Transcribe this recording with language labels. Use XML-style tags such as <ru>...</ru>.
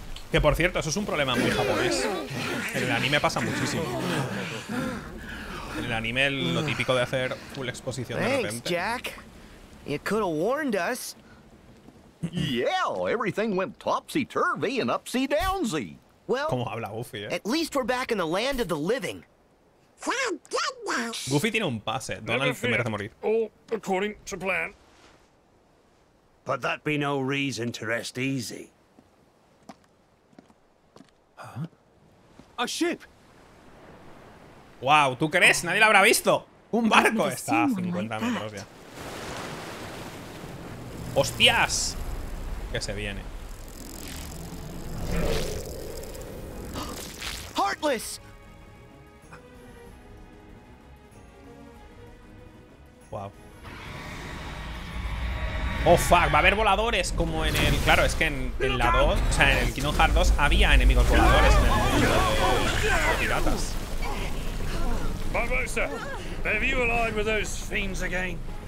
<es>Que por cierto, eso es un problema muy japonés. En el anime pasa muchísimo. En el anime, lo típico de hacer full exposición de repente.</es> <en>Thanks, Jack. You could have warned us. Yeah, everything went topsy-turvy and upsy-downsy. Well,</en> <es>¿cómo habla Goofy, eh?</es> <en>At least we're back in the land of the living.</en> <es>Goofy tiene un pase. Donald se merece morir.</es> <en>All according to plan. But that be no reason to rest easy. Huh? A ship.</en> <es>Wow, ¿tú crees? Nadie lo habrá visto. Un barco está a 50 metros ya. ¡Hostias! Que se viene.</es> <en>Heartless. Wow. Oh fuck,</en> <es>va a haber voladores como en el, claro, es que en la 2, o sea, en el Kingdom Hearts 2 había enemigos voladores en el mundo de piratas.</es> <en>Barbosa, have you allied with those fiends again?</en>